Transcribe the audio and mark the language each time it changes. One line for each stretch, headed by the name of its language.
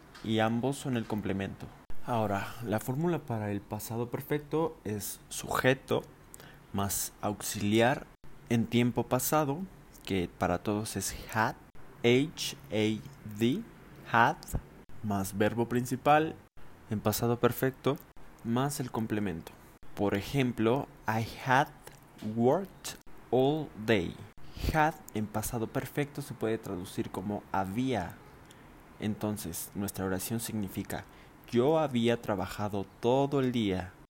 Spanish: Y ambos son el complemento. Ahora, la fórmula para el pasado perfecto es sujeto más auxiliar en tiempo pasado, que para todos es had, H-A-D, had, más verbo principal en pasado perfecto, más el complemento. Por ejemplo,
English: I had worked all day.
Spanish: Had en pasado perfecto se puede traducir como había. Entonces, nuestra oración significa, yo había trabajado todo el día.